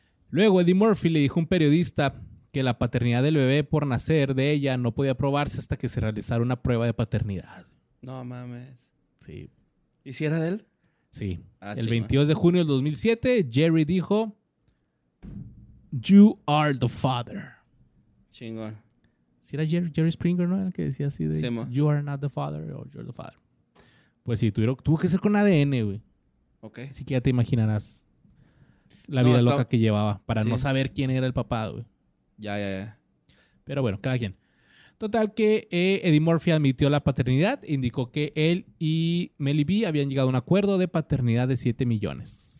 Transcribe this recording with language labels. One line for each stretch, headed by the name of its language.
Spanish: Luego Eddie Murphy le dijo a un periodista que la paternidad del bebé por nacer de ella no podía probarse hasta que se realizara una prueba de paternidad. No mames. Sí. ¿Y si era de él? Sí. El 22 de junio del 2007, Jerry dijo,
English: "You are the father."
Spanish: Chingón. ¿Si era Jerry Springer, no? El que decía así de,
English: "You are not the father,"
Spanish: o
English: "You're the father."
Spanish: Pues sí, tuvo que ser con ADN, güey. Ok. Así que ya te imaginarás la vida loca que llevaba para no saber quién era el papá, güey. Ya. Pero bueno, cada quien. Total que Eddie Murphy admitió la paternidad, indicó que él y Melly B habían llegado a un acuerdo de paternidad de 7 millones.